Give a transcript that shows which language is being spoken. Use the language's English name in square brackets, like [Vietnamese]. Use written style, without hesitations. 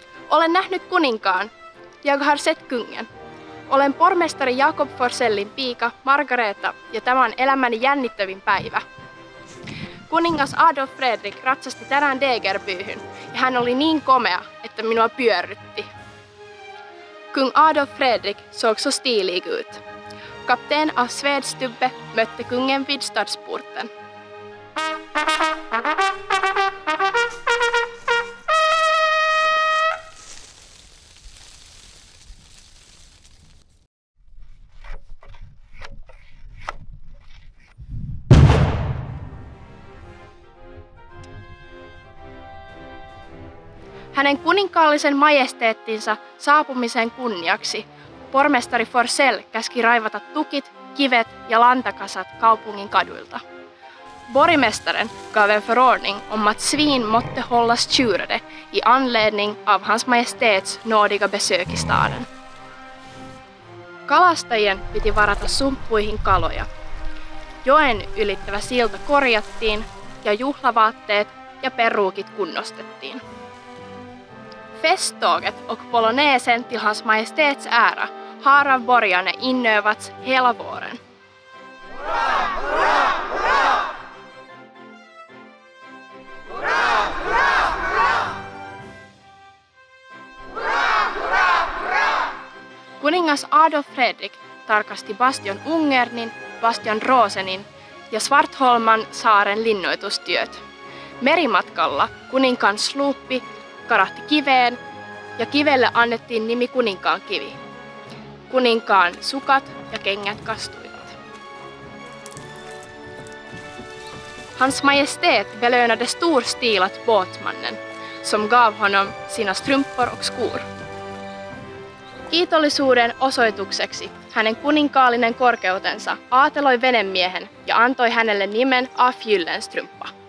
[Finnish] Olen nähnyt kuninkaan, [Swedish] Jagar Settkungen. [Finnish] Olen pormestari Jakob Forsellin piika, Margareta, ja tämä on elämäni jännittävin päivä. Kuningas Adolf Fredrik ratsasti tänään Degerbyyhyn, ja hän oli niin komea, että minua pyörrytti. [Swedish] Kung Adolf Fredrik såg så stilig ut. Kapten av Svedstubbe mötte kungen vid stadsporten. [Finnish] Hänen kuninkaallisen majesteettinsa saapumisen kunniaksi pormestari Forsell käski raivata tukit, kivet ja lantakasat kaupungin kaduilta. [Swedish] Borgmästaren gav en förordning om att svin måtte hållas tjurade i anledning av hans majestäts nådiga besök i staden. [Finnish] Kalastajien piti varata sumppuihin kaloja. Joen ylittävä silta korjattiin ja juhlavaatteet ja peruukit kunnostettiin. [Swedish] Festtåget och polonesen till hans majestäts ära har av borgarna inövats hela våren. Hurra! Hurra! Hurra! Hurra! Hurra! Hurra! Hurra! Hurra! Hurra! [Finnish] Kuningas Adolf Fredrik tarkasti Bastion Ungernin, Bastion Rosenin ja Svartholman saaren linnoitustyöt. Merimatkalla kuninkaan sluppi karahti kiveen ja kivelle annettiin nimi Kuninkaan kivi. Kuninkaan sukat ja kengät kastuivat. [Swedish] Hans majestät belönade storstilat båtmannen, som gav honom sina strumpor och skor. [Finnish] Kiitollisuuden osoitukseksi hänen kuninkaallinen korkeutensa aateloi venemiehen ja antoi hänelle nimen Afjyllenstrumpa.